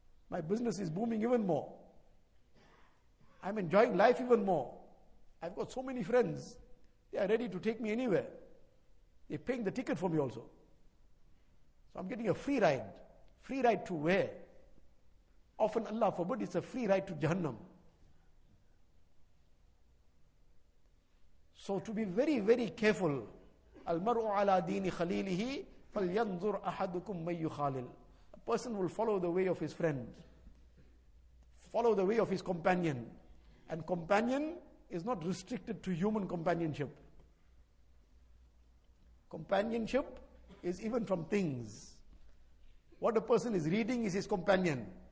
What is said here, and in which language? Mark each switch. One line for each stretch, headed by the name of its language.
English: My business is booming even more. I'm enjoying life even more. I've got so many friends. They are ready to take me anywhere. They're paying the ticket for me also. So I'm getting a free ride. Free ride to where? Often Allah forbid, it's a free ride to Jahannam. So to be very, very careful,
Arabic: المرء على دين خليله فلينظر أحدكم من يخالل.
English: A person will follow the way of his friend, follow the way of his companion. And companion is not restricted to human companionship. Companionship is even from things. What a person is reading is his companion.